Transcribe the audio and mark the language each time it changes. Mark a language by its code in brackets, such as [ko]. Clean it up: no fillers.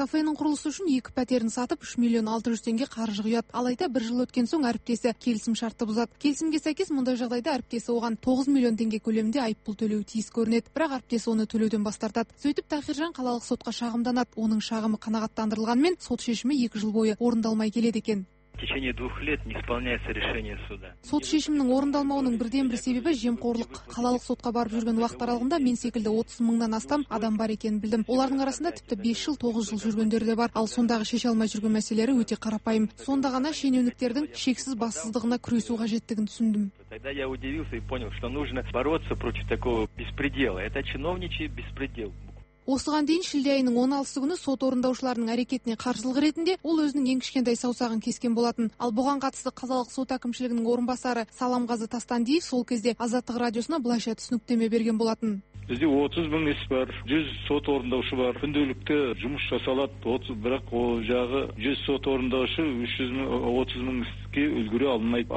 [kk] Кафенің құрылысы үшін 2 пәтерін сатып, 3 миллион 600 теңге қаржы құяды. Алайда бір жыл өткен соң әріптесі келісім шартты бұзады. Келісімге сәйкес мұндай жағдайда әріптесі оған 9 миллион теңге көлемінде айыппұл төлеуі тиіс көрінеді, бірақ әріптесі оны төлеуден бас тартады. Сөйтіп Тахиржан қалалық сотқа шағымданады. Оның шағымы қанағаттандырылғанмен, сот шешімі 2 жыл бойы орындалмай келеді екен. [ru] В течение 2 лет не исполняется решение суда. [kk] Сот шешімінің орындалмауының бірден бір себебі жемқорлық. Қалалық сотқа барып жүрген уақыт аралығында мен секілді 30 мыңнан астам адам бар екенін білдім. Олардың арасында тіпті 5 жыл, 9 жыл жүргендер де бар. Ал сондағы шеше алмай жүрген мәселелері өте қарапайым. Сонда ғана шенеуніктердің шексіз бассыздығына күресу қажеттігін түсіндім. [ru] Тогда я удивился и понял, что нужно бороться против такого беспредела. Это чиновничий беспредел. [kk] Осыған дейін шілде айының 16 күні сот орындаушыларының әрекетіне қарсылық ретінде ол өзінің ең кішкентай саусағын кескен болатын. Ал бұған қатысты қазалық сот әкімшілігінің орынбасары Саламғазы Тастандиев сол кезде Азаттық радиосына былайша түсініктеме берген болатын. Бізде 30 мың іс бар, 100 сот орындаушы бар. Күнделікті жұмыс жасалады, 30, бірақ ол жағы 100 сот орындаушы 30 мың іске үлгере алмайды.